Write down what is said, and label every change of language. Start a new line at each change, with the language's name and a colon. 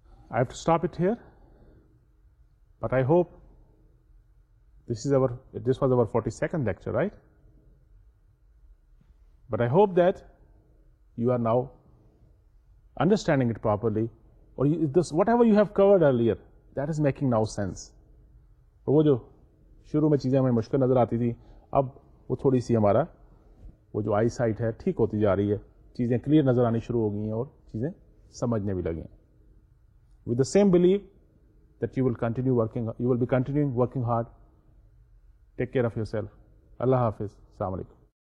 English: I have to stop it here, but I hope this was our 42nd lecture, right? But I hope that you are now understanding it properly, or this whatever you have covered earlier that is making now sense.
Urdu: Wo jo shuru mein cheeze hame mushkil nazar aati thi, ab wo thodi si hamara وہ جو آئی site ہے ٹھیک ہوتی جا رہی ہے, چیزیں clear نظر آنی شروع ہو گئی ہیں اور چیزیں سمجھنے بھی لگیں.
English: With the same belief that you will be continuing working hard. Take care of yourself.
Urdu: Allah Hafiz. Assalamu alaikum.